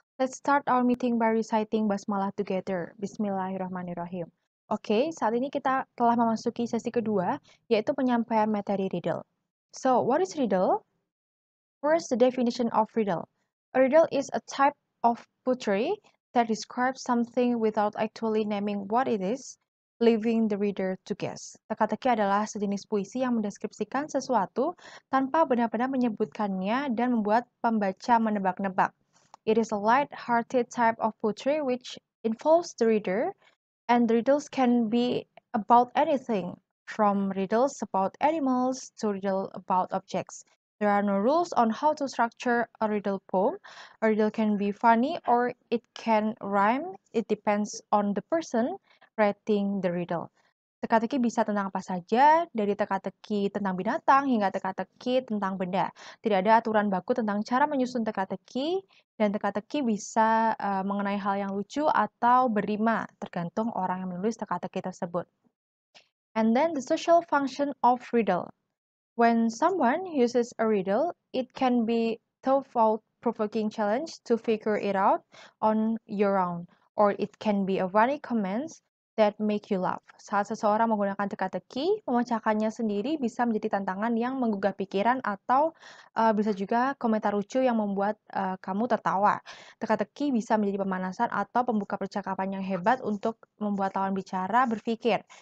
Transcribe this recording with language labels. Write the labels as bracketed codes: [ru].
[en] Let's start our meeting by reciting basmalah together. [ar] Bismillahirrahmanirrahim. [id] Oke, saat ini kita telah memasuki sesi kedua, yaitu penyampaian materi riddle. [en] So, what is riddle? First, the definition of riddle. A riddle is a type of poetry that describes something without actually naming what it is, leaving the reader to guess. [id] Teka-teki adalah sejenis puisi yang mendeskripsikan sesuatu tanpa benar-benar menyebutkannya dan membuat pembaca menebak-nebak. [en] It is a light-hearted type of poetry which involves the reader, and the riddles can be about anything, from riddles about animals to riddles about objects. There are no rules on how to structure a riddle poem. A riddle can be funny or it can rhyme. It depends on the person writing the riddle. [id] Teka-teki bisa tentang apa saja, dari teka-teki tentang binatang hingga teka-teki tentang benda. Tidak ada aturan baku tentang cara menyusun teka-teki, dan teka-teki bisa mengenai hal yang lucu atau berima, tergantung orang yang menulis teka-teki tersebut. [en] And then the social function of riddle. When someone uses a riddle, it can be thought-provoking challenge to figure it out on your own, or it can be a funny comment that make you laugh. [id] Saat seseorang menggunakan teka-teki, memecahkannya sendiri bisa menjadi tantangan yang menggugah pikiran atau bisa juga komentar lucu yang membuat kamu tertawa. Teka-teki bisa menjadi pemanasan atau pembuka percakapan yang hebat untuk membuat lawan bicara berpikir.